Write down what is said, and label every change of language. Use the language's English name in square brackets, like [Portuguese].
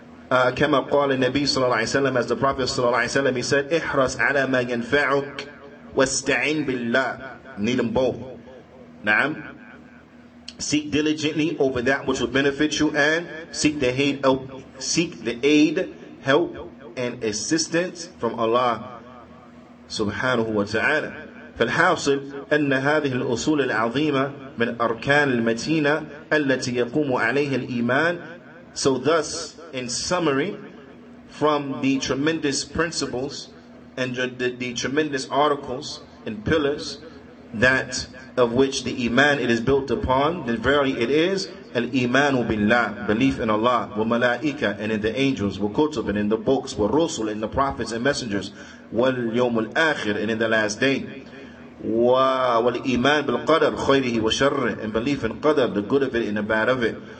[Arabic] كما قال النبي صلى الله عليه وسلم, [English] as the Prophet [Arabic] صلى الله عليه وسلم, [English] he said, [Arabic] احرص على ما ينفعك واستعين بالله. [English] Need them both. [Arabic] نعم. [English] Seek diligently over that which will benefit you, and seek the aid, help, and assistance from Allah سبحانه وتعالى. [Arabic] فالحاصل أن هذه الأصول العظيمة من أركان المتينة التي يقوم عليها الإيمان. [English] So thus, in summary, from the tremendous principles and the tremendous articles and pillars that of which the iman it is built upon, then verily it is al-imanu billah, belief in Allah, wa malaika, and in the angels, wa kutub, and in the books, wa rusul, and the prophets and messengers, wal yawmul akhir, and in the last day, wa al-iman bil qadr khayrihi wa sharrihi, and belief in qadr, the good of it and the bad of it.